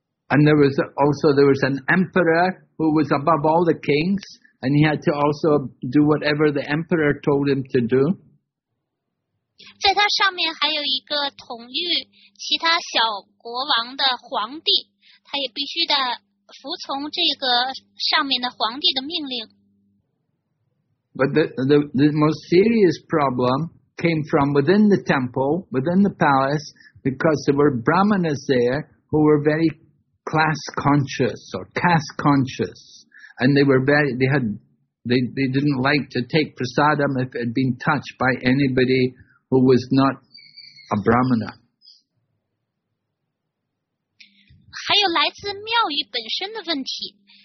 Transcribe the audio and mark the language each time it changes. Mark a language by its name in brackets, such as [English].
[English] And there was an emperor who was above all the kings, and he had to also do whatever the emperor told him to do. [Chinese] 在他上面还有一个统御其他小国王的皇帝，他也必须得服从这个上面的皇帝的命令。 [English] But the most serious problem came from within the temple, within the palace, because there were brahmanas there who were very class conscious or caste conscious, and they didn't like to take prasadam if it had been touched by anybody who was not a brahmana. [Chinese] 还有来自庙宇本身的问题。